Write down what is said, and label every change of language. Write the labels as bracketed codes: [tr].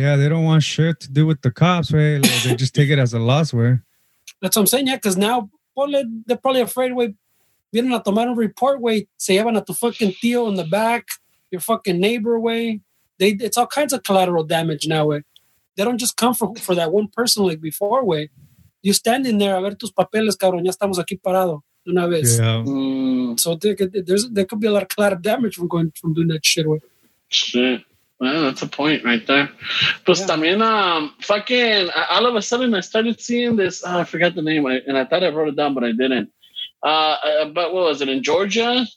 [en] Yeah, they don't want shit to do with the cops, güey. Like, they just take it as a loss, güey. That's what I'm saying, yeah, because now they're probably afraid, güey. [es] Vienen a tomar un report, güey. Se llevan a tu [en] fucking tío in the back, your fucking neighbor, güey. It's all kinds of collateral damage now, güey. They don't just come for that one person like before, güey. [es] You stand in there, a ver tus papeles, cabrón. Ya estamos aquí parado. Una vez. [en] Yeah. So there could be a lot of collateral damage from doing that shit. Shit. Well, that's a point right there. [es] Pues [en] yeah. [es] También, [en] fucking, all of a sudden I started seeing this. Oh, I forgot the name, and I thought I wrote it down, but I didn't. But what was it in Georgia?